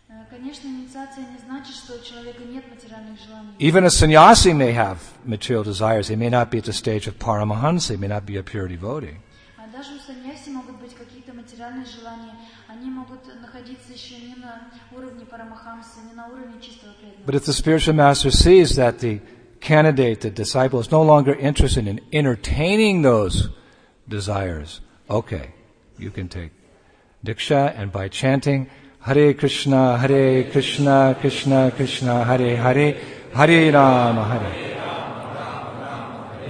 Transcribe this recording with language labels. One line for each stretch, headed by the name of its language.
Russian: Конечно, инициация не значит, что у человека нет материальных желаний.
English: Even a sannyasi may have material desires. He may not be at the stage of Paramahansa. He may not be a pure devotee.
Russian: А даже у саньяси могут быть какие-то материальные желания. материальные желания, они могут находиться еще не на уровне парамахамсы, не на уровне чистого преданного.
English: But if the spiritual master sees that the candidate, the disciple, is no longer interested in entertaining those desires, okay, you can take diksha, and by chanting Hare Krishna, Hare Krishna, Krishna Krishna, Hare Hare, Hare Rama, Hare.